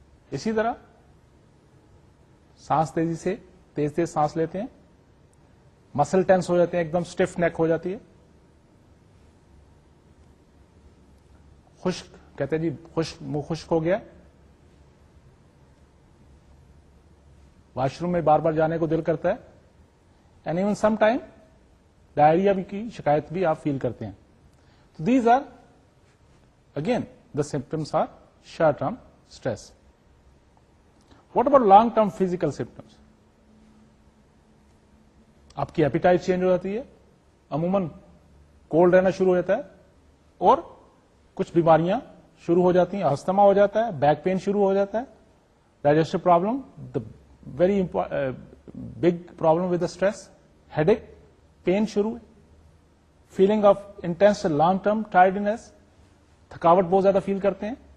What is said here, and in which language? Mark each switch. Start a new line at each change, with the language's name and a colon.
Urdu: اسی طرح سانس تیزی سے تیز تیز سانس لیتے ہیں, مسل ٹینس ہو جاتے ہیں, ایک دم اسٹیف نیک ہو جاتی ہے, خشک کہتے ہیں جی خشک منہ خشک ہو گیا, واش روم میں بار بار جانے کو دل کرتا ہے, and even some time diarrhoea کی شکایت بھی آپ فیل کرتے ہیں.
English: تو these are again the symptoms are short term stress. What about long term physical symptoms?
Urdu: آپ کی ایپیٹائٹ چینج ہو جاتی ہے, عموماً کولڈ رہنا شروع ہو جاتا ہے, اور کچھ بیماریاں شروع ہو جاتی ہیں, استھما ہو جاتا ہے, بیک پین شروع ہو جاتا ہے, digestive problem,
English: the very big problem with the stress,
Urdu: head ایک پین شروع, feeling of intense long term tiredness, تھکاوٹ بہت زیادہ فیل کرتے ہیں,